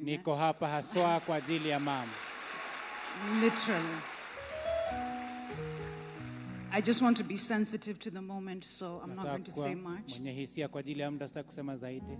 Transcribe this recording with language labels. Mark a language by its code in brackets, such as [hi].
[sw] Niko hapa haswa kwa ajili ya Mom. [en] Literally. I just want to be sensitive to the moment, so I'm not going to say much. [sw] Mwenye hisia kwa ajili ya muda sitaki kusema zaidi.